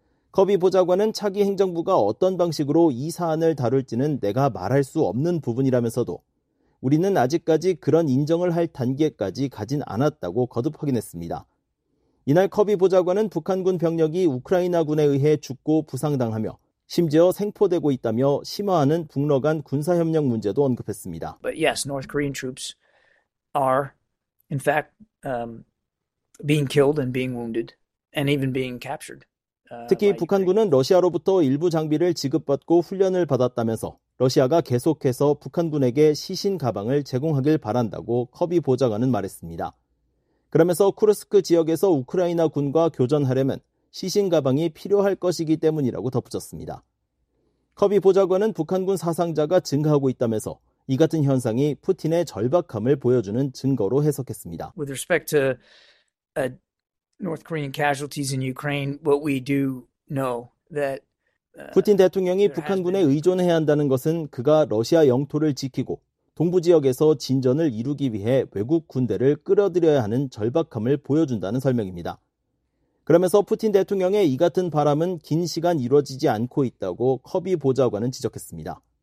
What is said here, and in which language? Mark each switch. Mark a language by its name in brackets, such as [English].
[Korean] 커비 보좌관은 차기 행정부가 어떤 방식으로 이 사안을 다룰지는 내가 말할 수 없는 부분이라면서도 우리는 아직까지 그런 인정을 할 단계까지 가진 않았다고 거듭 확인했습니다. 이날 커비 보좌관은 북한군 병력이 우크라이나군에 의해 죽고 부상당하며 심지어 생포되고 있다며 심화하는 북러 간 군사협력 문제도 언급했습니다. [English] But yes, North Korean troops are in fact being killed and being wounded and even being captured. [Korean] 특히 북한군은 러시아로부터 일부 장비를 지급받고 훈련을 받았다면서 러시아가 계속해서 북한군에게 시신 가방을 제공하길 바란다고 커비 보좌관은 말했습니다. 그러면서 쿠르스크 지역에서 우크라이나 군과 교전하려면 시신 가방이 필요할 것이기 때문이라고 덧붙였습니다. 커비 보좌관은 북한군 사상자가 증가하고 있다면서 이 같은 현상이 푸틴의 절박함을 보여주는 증거로 해석했습니다. [English] With respect to North Korean casualties in Ukraine, what we do know that [Korean] 푸틴 대통령이 북한군에 의존해야 한다는 것은 그가 러시아 영토를 지키고 동부 지역에서 진전을 이루기 위해 외국 군대를 끌어들여야 하는 절박함을 보여준다는 설명입니다. 그러면서 푸틴 대통령의 이 같은 바람은 긴 시간 이루어지지 않고 있다고 커비 보좌관은 지적했습니다.